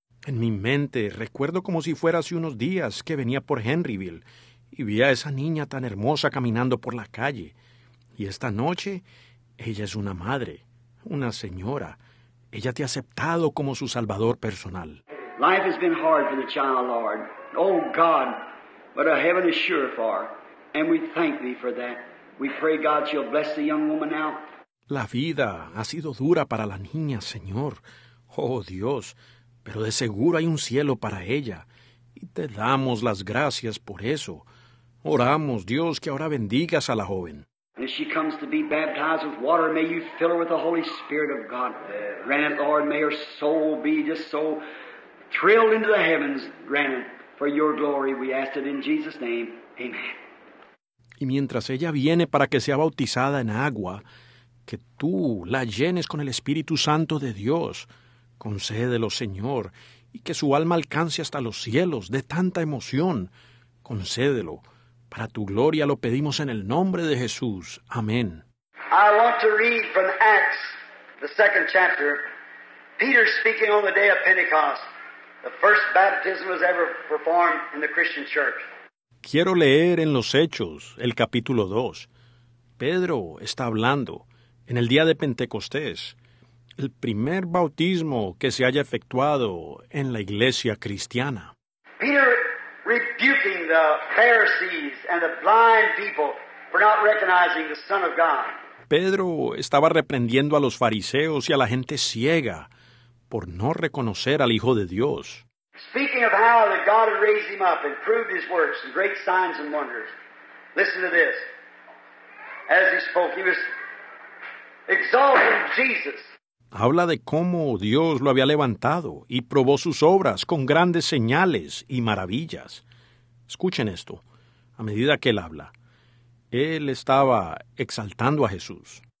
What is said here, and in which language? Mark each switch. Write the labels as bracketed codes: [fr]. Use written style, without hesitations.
[es] En mi mente, recuerdo como si fuera hace unos días que venía por Henryville y vi a esa niña tan hermosa caminando por la calle. Y esta noche, ella es una madre, una señora. Ella te ha aceptado como su salvador personal. [en] Life has been hard for the child, Lord. Oh, God, but a heaven is sure for. And we thank thee for that. We pray, God, she'll bless the young woman now. [es] La vida ha sido dura para la niña, Señor. Oh, Dios, pero de seguro hay un cielo para ella. Y te damos las gracias por eso. Oramos, Dios, que ahora bendigas a la joven. [en] And if she comes to be baptized with water, may you fill her with the Holy Spirit of God. Granted, Lord, may her soul be just so thrilled into the heavens. Granted, for your glory, we ask it in Jesus' name. Amen. [es] Y mientras ella viene para que sea bautizada en agua, que tú la llenes con el Espíritu Santo de Dios. Concédelo, Señor, y que su alma alcance hasta los cielos de tanta emoción. Concédelo. Para tu gloria lo pedimos en el nombre de Jesús. Amén. [en] I want to read from Acts, the second chapter. Peter speaking on the day of Pentecost. The first baptism was ever performed in the Christian church. [es] Quiero leer en los Hechos, el capítulo 2. Pedro está hablando en el día de Pentecostés. El primer bautismo que se haya efectuado en la iglesia cristiana. [en] Peter rebuking the Pharisees and the blind people for not recognizing the Son of God. [es] Pedro estaba reprendiendo a los fariseos y a la gente ciega por no reconocer al Hijo de Dios. [en] Speaking of how that God had raised him up and proved his works and great signs and wonders. Listen to this. As he spoke, he was exalting Jesus. [es] Habla de cómo Dios lo había levantado y probó sus obras con grandes señales y maravillas. Escuchen esto. A medida que él habla, él estaba exaltando a Jesús.